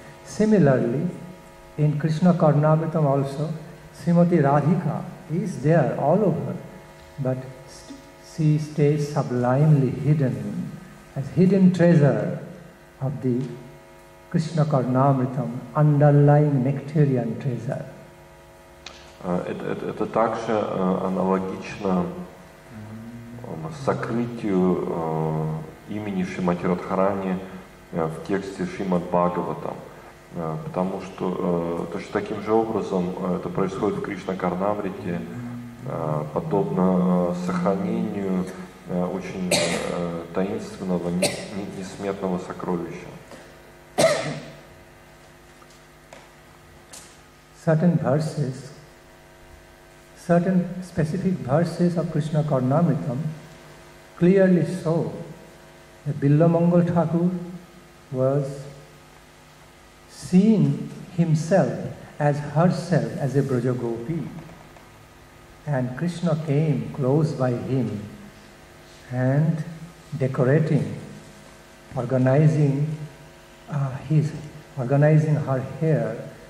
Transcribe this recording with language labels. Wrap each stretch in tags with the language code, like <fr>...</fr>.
<en>Similarly, in Krishna Karnamritam also, Srimati Radhika is there all over, but she stays sublimely hidden, as hidden treasure of the Krishna Karnamritam, underlying nectarian treasure.</en> <ru>Это также аналогично сокрытию имени Шримати Радхарани в тексте Шримад Бхагаватам, потому что точно таким же образом это происходит в Кришна Карнамрите, подобно сохранению очень таинственного, несметного сокровища.</ru> <en>Certain specific verses of Krishna Karnamritam clearly show that Billa Mangal Thakur was seeing himself as herself as a Braja Gopi, and Krishna came close by him and organizing her hair</en>